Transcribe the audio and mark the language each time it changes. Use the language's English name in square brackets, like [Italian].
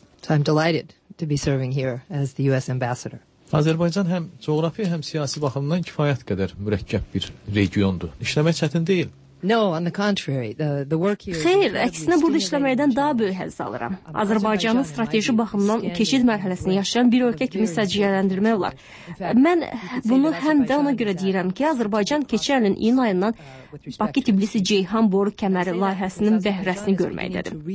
[English] I'm delighted to be serving here as the US ambassador. [Azerbaijani] Azərbaycan həm coğrafi, həm siyasi baxımdan kifayət qədər mürəkkəb bir regiondur. İşləmək çətin deyil. [English] No, on the contrary, the work here. [Azerbaijani] Xeyr, əksinə burada işləməkdən daha böyük həzz alıram. Azərbaycanın strateji baxımından keçid mərhələsini yaşayan bir ölkə kimi səciyyələndirmək olar. Mən bunu həm də ona görə deyirəm ki, Azərbaycan keçən ilin iyun ayından Bakı-Tiblisi-Ceyhan boru kəməri layihəsinin bəhrəsini görməkdədir.